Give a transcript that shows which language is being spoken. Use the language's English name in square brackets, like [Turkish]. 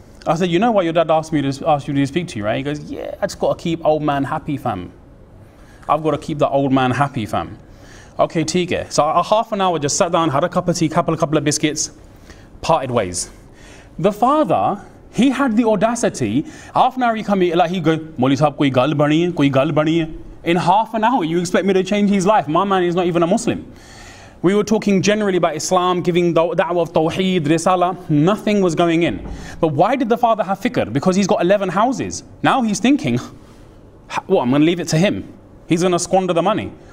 [English] I said, you know why your dad asked you to speak to you, right? He goes, yeah, I just got to keep old man happy, fam. I've got to keep the old man happy, fam. Okay, Tige. So a half an hour, just sat down, had a cup of tea, couple of biscuits, parted ways. The father, he had the audacity. Half an hour, he come here, like he go, [Punjabi] ਮੋਲੀ ਸਾਹਬ, ਕੋਈ ਗੱਲ ਬਣੀ ਹੈ, ਕੋਈ ਗੱਲ ਬਣੀ ਹੈ. [English] In half an hour, you expect me to change his life? My man is not even a Muslim. We were talking generally about Islam, giving da'wah of tawheed, risala. Nothing was going in. But why did the father have fikr? Because he's got 11 houses. Now he's thinking, well, I'm going to leave it to him. He's going to squander the money.